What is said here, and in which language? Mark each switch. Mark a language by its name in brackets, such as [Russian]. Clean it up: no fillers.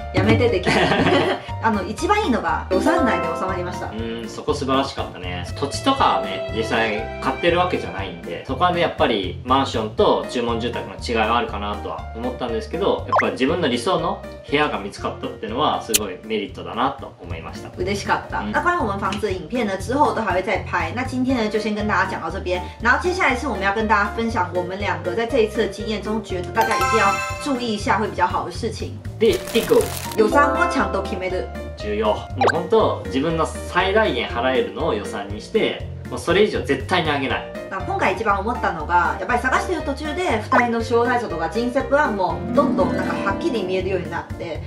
[Japanese] やめて、できないあの一番いいのが予算内で収まりました。うん、そこ素晴らしかったね。土地とかはね実際買ってるわけじゃないんで、そこはねやっぱりマンションと注文住宅の違いはあるかなとは思ったんですけど、やっぱり自分の理想の部屋が見つかったっていうのはすごいメリットだなと思いました。嬉しかった。 [Chinese] 那关于我们房子影片呢，之后都还会再拍。那今天呢就先跟大家讲到这边。然后接下来是我们要跟大家分享我们两个在这一次的经验中觉得大家一定要注意一下会比较好的事情。 [Japanese] で、一個、予算をちゃんと決める。重要。もう本当自分の最大限払えるのを予算にして、もうそれ以上絶対に上げない。今回一番思ったのが、やっぱり探してる途中で2人の将来像とか人生プランもどんどんなんかはっきり見えるようになって、